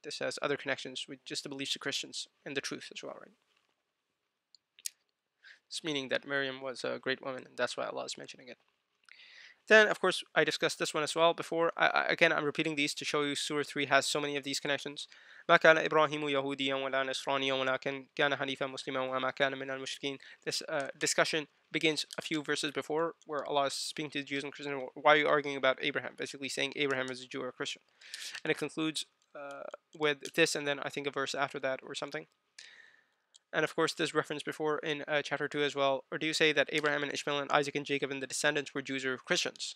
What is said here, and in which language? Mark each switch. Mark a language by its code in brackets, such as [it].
[en] This has other connections with just the beliefs of Christians and the truth as well, right? It's meaning that Maryam was a great woman, and that's why Allah is mentioning it. Then, of course, I discussed this one as well before. I'm repeating these to show you Surah 3 has so many of these connections. [ar] ما كان إبراهيم يهوديا ولا نصرانيا ولكن كان حنيفا مسلما وما كان من المشركين. [en] This discussion begins a few verses before, where Allah is speaking to the Jews and Christians. Why are you arguing about Abraham? Basically saying Abraham is a Jew or a Christian. And it concludes with this, and then I think a verse after that or something. And of course, this reference before in chapter 2 as well. Or do you say that Abraham and Ishmael and Isaac and Jacob and the descendants were Jews or Christians?